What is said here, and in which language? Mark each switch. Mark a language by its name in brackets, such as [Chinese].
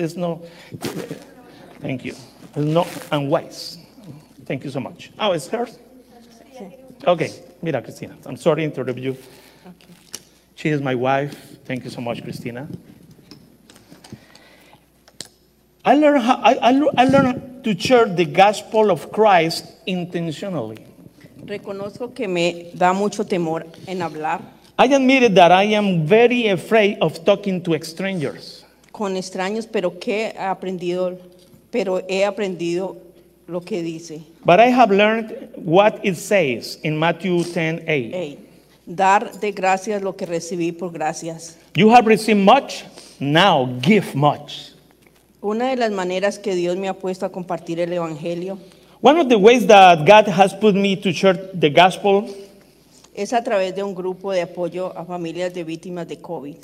[English] It's not. Thank you. No, I'm wise. Thank you so much. Oh, it's hers? Okay. [Spanish] Mira, Cristina. [English] I'm sorry to interrupt you. She is my wife. Thank you so much, Cristina. I learned to share the gospel of Christ intentionally. [Spanish] Reconozco que me da mucho temor en hablar. [English] I admitted that I am very afraid of talking to strangers. [Spanish] Con extraños, pero que he aprendido, lo que dice. [English] But I have learned what it says in Matthew 10:8. [Spanish] Dar de gracias lo que recibí por gracias. [English] You have received much, now give much. [Spanish] Una de las maneras que Dios me ha puesto a compartir el evangelio. [English] One of the ways that God has put me to share the gospel [Spanish] es a través de un grupo de apoyo a familias de víctimas de COVID.